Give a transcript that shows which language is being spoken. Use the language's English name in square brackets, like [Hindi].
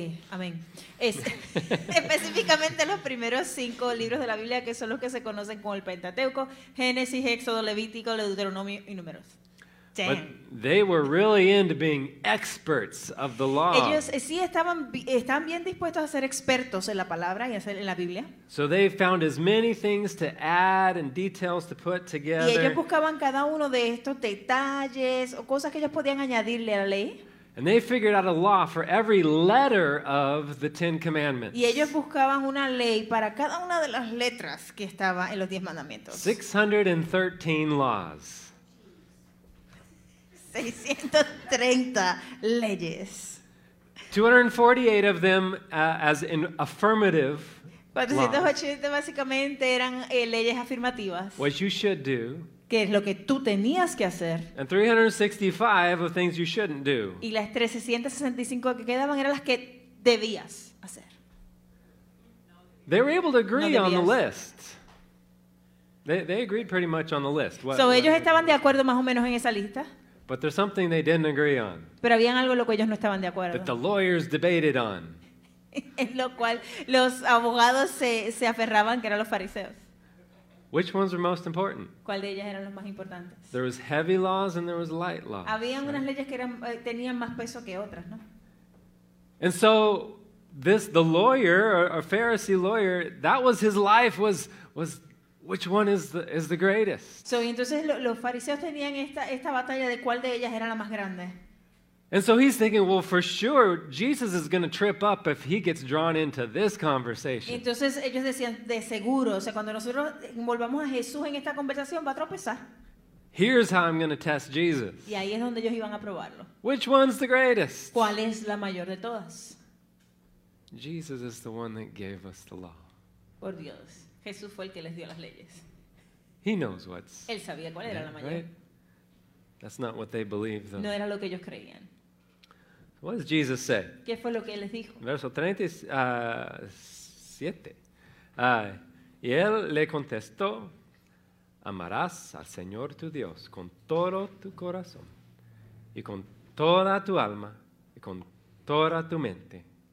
[Spanish] Amén. específicamente los primeros cinco libros de la Biblia, que son los que se conocen como el Pentateuco, Génesis, Éxodo, Levítico, Deuteronomio y Números. [English] Damn. But they were really into being experts of the law. [Spanish] Ellos sí estaban bien dispuestos a ser expertos en la palabra y en la Biblia. [English] So they found as many things to add and details to put together. [Spanish] Y ellos buscaban cada uno de estos detalles o cosas que ellos podían añadirle a la ley. [English] And they figured out a law for every letter of the Ten Commandments. [Spanish] Y ellos buscaban una ley para cada una de las letras que estaba en los Diez Mandamientos. [English] 613 laws. [Spanish] 630 leyes. [English] 248 of them as in affirmative. [Spanish] 480 básicamente eran leyes afirmativas. [English] What you should do. [Spanish] Que es lo que tú tenías que hacer. [English] And 365 of things you shouldn't do. [Spanish] Y las 365 que quedaban eran las que debías hacer. [English] They were able to agree on the list. They agreed pretty much on the list. [Spanish] So ellos estaban de acuerdo más o menos en esa lista. [English] But there's something they didn't agree on. [Spanish] Pero habían algo en lo que ellos no estaban de acuerdo. [English] That the lawyers debated on. [Spanish] En lo cual los abogados se aferraban que eran los fariseos. [English] Which ones were most important? [Spanish] ¿Cuál de ellas eran los más importantes? [English] There was heavy laws and there was light laws. [Spanish] Habían [English] right? [Spanish] unas leyes que eran tenían más peso que otras, ¿no? [English] And so this the lawyer or Pharisee lawyer, that was his life was which one is the greatest? [Spanish] So entonces los fariseos tenían esta batalla de cuál de ellas era la más grande. [English] And so he's thinking, well, for sure Jesus is going to trip up if he gets drawn into this conversation. [Spanish] Entonces ellos decían, de seguro, o sea, cuando nosotros envolvamos a Jesús en esta conversación va a tropezar. [English] Here's how I'm going to test Jesus. [Spanish] Y ahí es donde ellos iban a probarlo. [English] Which one's the greatest? [Spanish] ¿Cuál es la mayor de todas? [English] Jesus is the one that gave us the law. [Spanish] Por Dios. Jesús fue el que les dio las leyes. [English] He knows what's [Spanish] él sabía cuál era la mayor. [English] That's not what they believed, though. [Spanish] No era lo que ellos creían. [English] What does Jesus say? [Spanish] ¿Qué fue lo que él les dijo? Verso 37. Y él le contestó, amarás al Señor tu Dios con todo tu corazón y con toda tu alma y con toda tu mente.